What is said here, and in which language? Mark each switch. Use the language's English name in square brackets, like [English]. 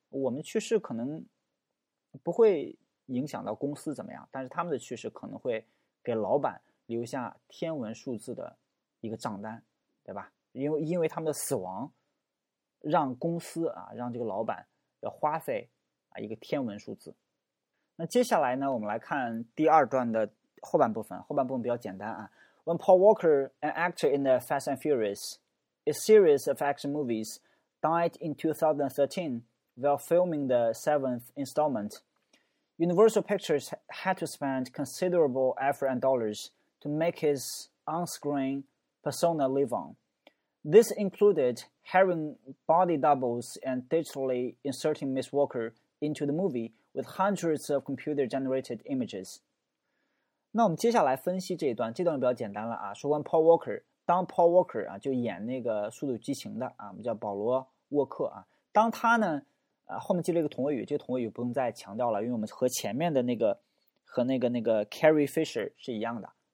[Chinese] 我们去世可能不会影响到公司怎么样，但是他们的去世可能会给老板留下天文数字的一个账单，对吧？因为他们的死亡，让公司啊，让这个老板要花费啊一个天文数字。那接下来呢，我们来看第二段的后半部分，后半部分比较简单啊。 [English] When Paul Walker, an actor in the Fast and Furious, a series of action movies, died in 2013 while filming the seventh installment, Universal Pictures had to spend considerable effort and dollars to make his on-screen persona live on. This included hiring body doubles and digitally inserting Miss Walker into the movie with hundreds of computer-generated images. [Chinese] 那我们接下来分析这一段，这段就比较简单了啊。说完 Paul Walker，当 Paul Walker 啊，就演那个《速度与激情》的啊，我们叫保罗·沃克啊。当他呢，后面接了一个同位语，这个同位语不用再强调了，因为我们和前面的那个和那个 Carrie Fisher 是一样的。